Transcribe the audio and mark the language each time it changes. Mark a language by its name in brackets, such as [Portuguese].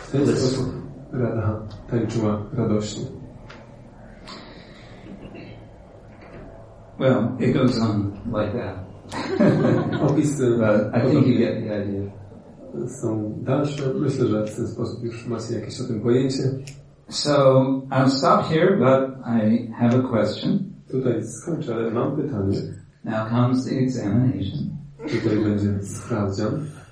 [Polish] Ten sposób Radha tańczyła radośnie. [English] Well, it goes on like that. [Polish] Opis, [English] I think you get the idea. [Polish] Są dalsze. Myślę, że w ten sposób już masz jakieś o tym pojęcie. [English] So, I'll stop here, but I have a question. [Polish] Tutaj skończę, ale mam pytanie. [English] Now comes the examination. [Polish] Tutaj będzie sprawdzian.